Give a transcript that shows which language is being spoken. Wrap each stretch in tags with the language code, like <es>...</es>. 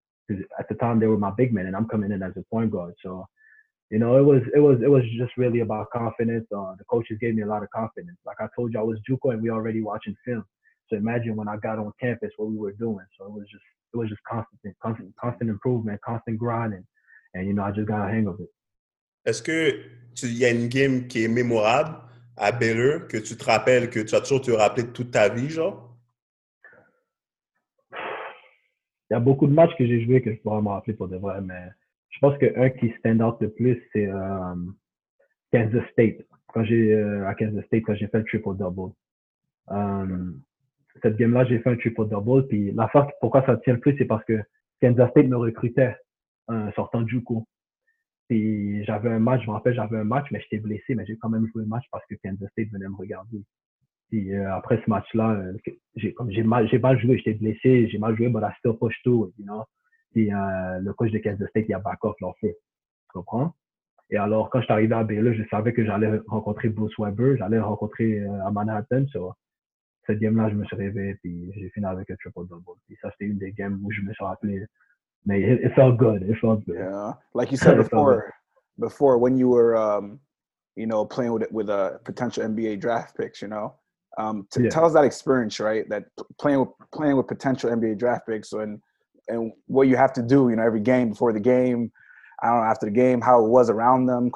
<en>Because at the time, they were my big men, and I'm coming in as a point guard. So, you know, it was just really about confidence. The coaches gave me a lot of confidence. Like I told you, I was JUCO, and we already watching film. So imagine when I got on campus, what we were doing. So it was just constant improvement, constant grinding. And, you know, I just got a hang of it.</en> <fr>Est-ce que tu y a une game qui est mémorable à Baylor que tu te rappelles, que tu as toujours te rappelé de toute ta vie, genre? Il y a beaucoup de matchs que j'ai joué que je pourrais me rappeler pour de vrai, mais je pense qu'un qui stand out le plus, c'est Kansas State. À Kansas State, quand j'ai fait le triple-double. Cette game-là, j'ai fait un triple-double, puis la force, pourquoi ça tient le plus, c'est parce que Kansas State me recrutait en sortant du coup. Puis j'avais un match, je me rappelle, j'avais un match, mais j'étais blessé, mais j'ai quand même joué un match parce que Kansas State venait me regarder. Puis après ce match-là, j'ai mal joué, j'étais blessé, j'ai mal joué,</fr> <en>but I still pushed through, you know.</en> <fr>Puis le coach de Kansas State, il a back off l'offre, tu comprends? Et alors, quand je suis arrivé à Baylor, je savais que j'allais rencontrer Bruce Weber, j'allais rencontrer à Manhattan, so cette game-là, je me suis réveillé, puis j'ai fini avec un triple-double. Puis ça, c'était une des games où je me suis rappelé.</fr> <en>It felt good. It felt good. Yeah, like you said before when you were, you know, playing with a potential NBA draft picks. You know, tell us that experience, right? That playing with potential NBA draft picks and what you have to do. You know, every game before the game, I don't know, after the game, how it was around them.</en>